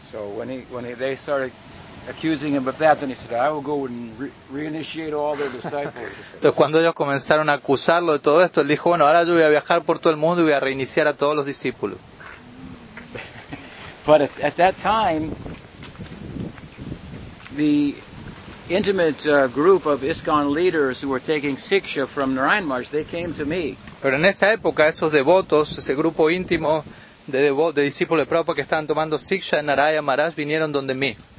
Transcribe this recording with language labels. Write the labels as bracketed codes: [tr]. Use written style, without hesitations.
[en] So when they started accusing him of that, then he said, I will go and reinitiate all their disciples. [es] Entonces cuando ellos comenzaron a acusarlo de todo esto, él dijo, bueno, ahora yo voy a viajar por todo el mundo y voy a reiniciar a todos los discípulos. [en] But at that time, the intimate group of ISKCON leaders who were taking siksha from Narayan Maharaj, they came to me. [es] Pero en esa época, esos devotos, ese grupo íntimo de discípulos de Prabhupada que estaban tomando siksha en Narayan Maharaj, vinieron donde mí.